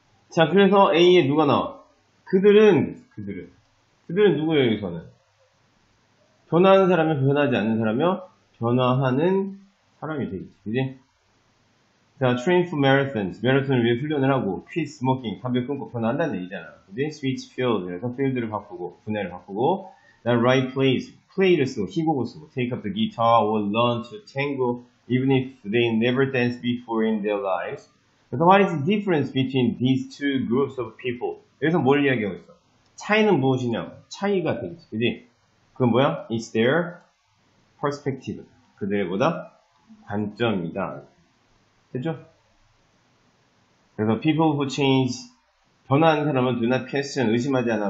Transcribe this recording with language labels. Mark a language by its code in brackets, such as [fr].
[ko] 자, 그래서 A에 누가 나와? 그들은 누구예요, 여기서는? 변화하는 사람이 변하지 않는 사람이요? 변화하는 사람이 되겠지, 그지? [en] 자, train for marathons. [ko] 마라톤을 위해 훈련을 하고, [en] quit smoking. [ko] 담배 끊고 변화한다는 얘기잖아. 그지? [en] switch field. [ko] 그래서 필드를 바꾸고, 분야를 바꾸고, [en] then write plays. [ko] 플레이를 쓰고, 희곡을 쓰고, [en] take up the guitar or learn to tango, even if they never danced before in their lives. So what is the difference between these two groups of people? [ko] 여기서 뭘 이야기하고 있어? 차이는 무엇이냐? 차이가 되겠지, 그지? 그건 뭐야? [en] It's their perspective. [ko] 그들보다 관점이다. 됐죠? [en] 그래서 people who change, [ko] 변화하는 사람은 [en] do not question, [ko] 의심하지 않아.